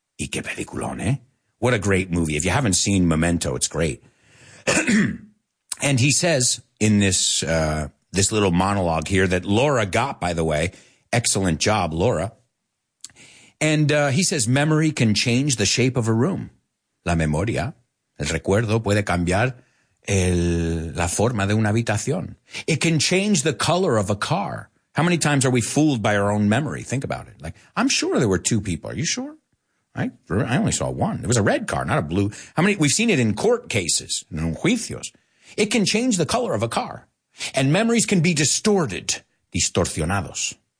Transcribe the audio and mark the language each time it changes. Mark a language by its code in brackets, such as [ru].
[es] Y qué peliculón, eh? [en] What a great movie. If you haven't seen Memento, it's great. And he says in this this little monologue here that Laura got, by the way, excellent job, Laura. And he says, memory can change the shape of a room. [es] La memoria, el recuerdo, puede cambiar la forma de una habitación. [en] It can change the color of a car. How many times are we fooled by our own memory? Think about it. Like, I'm sure there were two people. Are you sure? I only saw one. It was a red car, not a blue. How many? We've seen it in court cases, [es] en juicios. [en] It can change the color of a car. And memories can be distorted, distorsionados.